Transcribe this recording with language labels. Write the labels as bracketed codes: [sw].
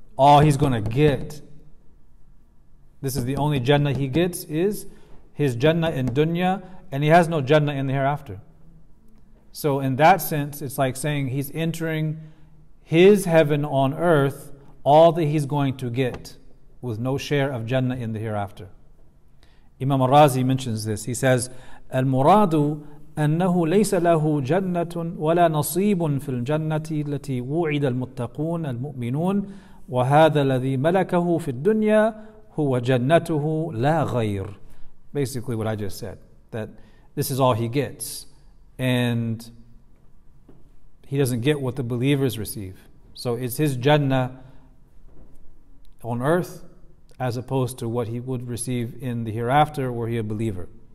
[en] All he's going to get, this is the only Jannah he gets, is his Jannah in dunya, and he has no Jannah in the hereafter. So in that sense, it's like saying he's entering his heaven on earth, all that he's going to get, with no share of Jannah in the hereafter. Imam al-Razi mentions this. He says, [ar] المراد أنه ليس له جنة ولا نصيب في الجنة التي وعد المتقون المؤمنون وهذا الذي ملكه في الدنيا هو جنته لا غير. [en] Basically what I just said, that this is all he gets. And he doesn't get what the believers receive. So it's his Jannah on earth, as opposed to what he would receive in the hereafter were he a believer.